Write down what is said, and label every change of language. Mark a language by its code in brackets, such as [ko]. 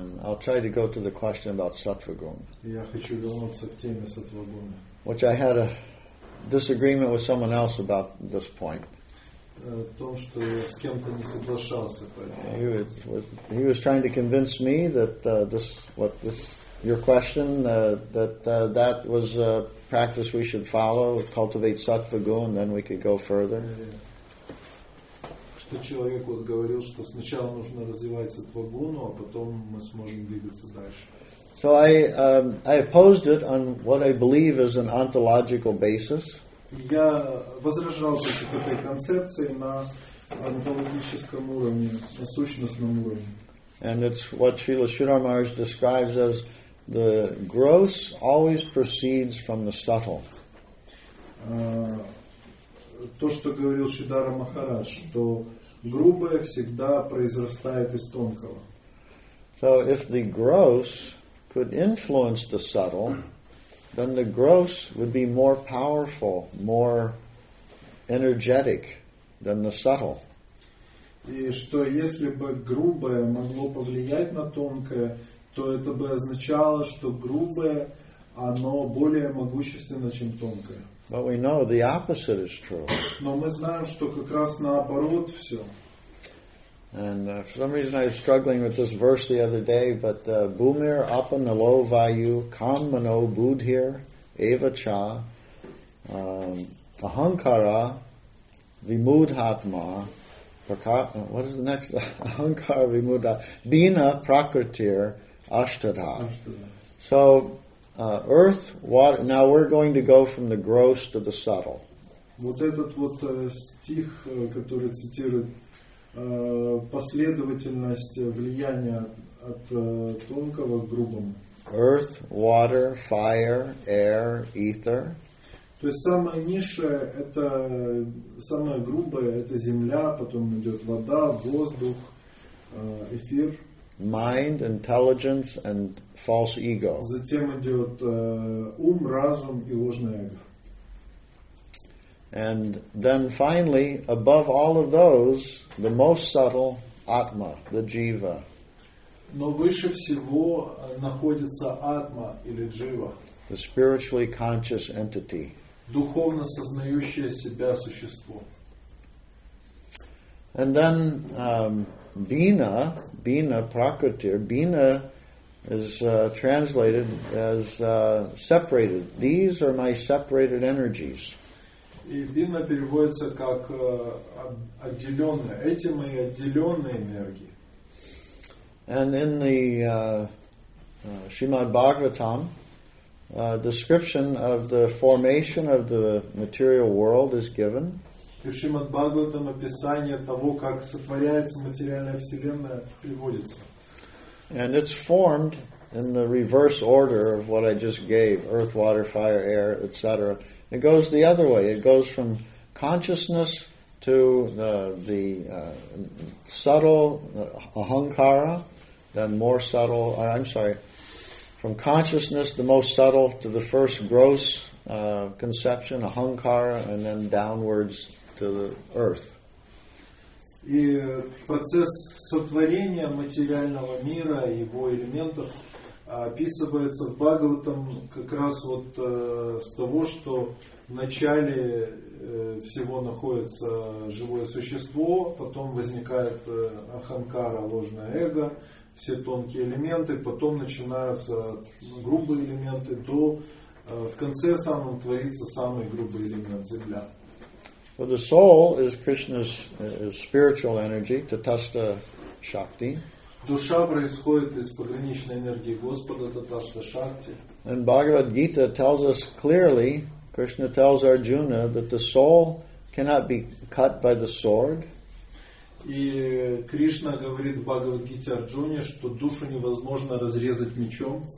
[en] And I'll try to go to the question about Sattvagun. [ru] Я хочу вернуться к теме Сатвагуна. [en] Which I had a disagreement with someone else about this point. [ru] Том, что я с кем-то не соглашался. [en] He was trying to convince me that your question that was a practice we should follow, cultivate sattva guna, and then we could go further. [ru] Что человек вот говорил, что сначала нужно развивать сатва гуну, а потом мы сможем двигаться дальше. [en] So I opposed it on what I believe is an ontological basis. [ru] Я возражал против этой концепции на онтологическом уровне, на сущностном уровне. [en] And it's what Srila Sridhar Maharaj describes as the gross always proceeds from the subtle. [ru] То, что говорил Шридхара Махарадж, что грубое всегда произрастает из тонкого. [en] So if the gross could influence the subtle, then the gross would be more powerful, more energetic than the subtle. [ru] И что если бы грубое могло повлиять на тонкое, то это бы означало, что грубое, оно более могущественно, чем тонкое. [en] But we know the opposite is true. [ru] Но мы знаем, что как раз наоборот все. [en] And for some reason I was struggling with this verse the other day, but [sa] Bhumir apanalo vayu kam mano buddhir eva cha ahankara vimudhatma. [en] What is the next? [sa] Ahankara vimudha bina prakritir ashtadha. [en] So, earth, water. Now we're going to go from the gross to the subtle. [ru] Вот этот вот стих, который цитирует последовательность влияния от тонкого к грубому. [en] Earth, water, fire, air, ether. [ru] То есть самое низшее это самое грубое это земля, потом идет вода, воздух, эфир. [en] mind, intelligence, and false ego. [ru] Затем идет ум, разум и ложное эго. [en] And then finally, above all of those, the most subtle Atma, the Jiva. [ru] Но выше всего находится Атма или Джива. [en] The spiritually conscious entity. [ru] Духовно сознающее себя существо. [en] And then Bina, Prakritir, Bina is translated as separated. These are my separated energies. [ru] И Бина переводится как отделенные. Эти мои отделенные энергии. [en] And in the Srimad Bhagavatam, description of the formation of the material world is given. [ru] И в Шримад Бхагаватам описание того, как сотворяется материальная вселенная, приводится. [en] And it's formed in the reverse order of what I just gave: earth, water, fire, air, etc. It goes the other way. It goes from consciousness to the subtle ahankara, then more subtle. I'm sorry. From consciousness, the most subtle, to the first gross conception, ahankara, and then downwards to the earth. [ru] И процесс сотворения материального мира и его элементов описывается в Бхагаватам как раз вот с того, что в начале всего находится живое существо, потом возникает аханкара, ложное эго, все тонкие элементы, потом начинаются грубые элементы, до в конце самом творится самый грубый элемент — земля. [en] But the soul is Krishna's spiritual energy, tatastha shakti. [ru] Душа происходит из пограничной энергии Господа, tatastha shakti. [en] And Bhagavad Gita tells us clearly, Krishna tells Arjuna that the soul cannot be cut by the sword. [ru] И Кришна говорит в Бхагавад-гите Арджуне, что душу невозможно разрезать мечом.